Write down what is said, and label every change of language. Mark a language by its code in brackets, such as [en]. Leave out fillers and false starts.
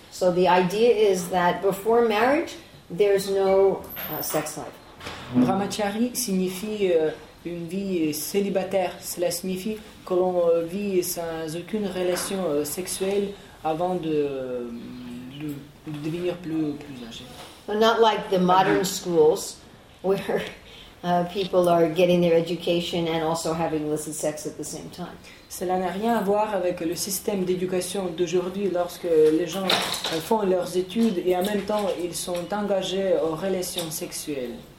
[en] So the idea is that before marriage there's no sex life. [fr] Brahmachari signifie une vie célibataire. Cela signifie que l'on vit sans aucune relation sexuelle avant de devenir plus âgé. [en] So not like the modern schools where people are getting their education and also having illicit sex at the same time. [fr] Cela n'a rien à voir avec le système d'éducation d'aujourd'hui lorsque les gens font leurs études et en même temps ils sont engagés aux relations sexuelles.